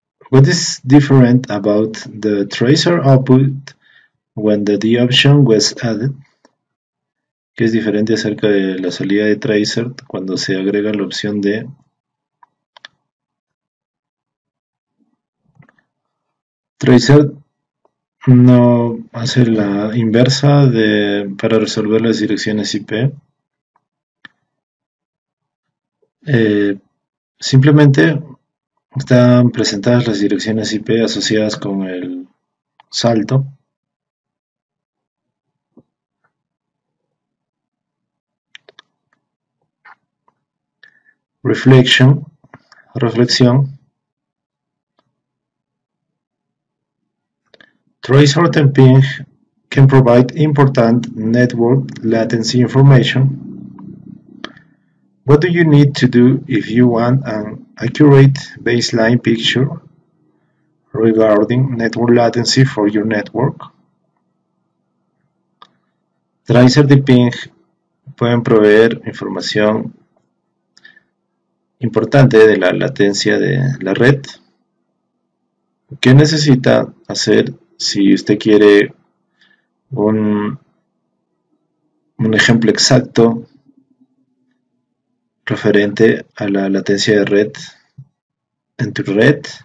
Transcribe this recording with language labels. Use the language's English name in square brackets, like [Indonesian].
[English] What is different about the tracer output when the D option was added? [Spanish] ¿Qué es diferente acerca de la salida de tracer cuando se agrega la opción D? Tracer no hace la inversa para resolver las direcciones IP. Simplemente están presentadas las direcciones IP asociadas con el salto. [English] Reflection, reflexión. Tracer and ping can provide important network latency information. What do you need to do if you want an accurate baseline picture regarding network latency for your network? [Spanish] Tracer y ping pueden proveer información importante de la latencia de la red. ¿Qué necesita hacer si usted quiere un ejemplo exacto referente a la latencia de red en tu red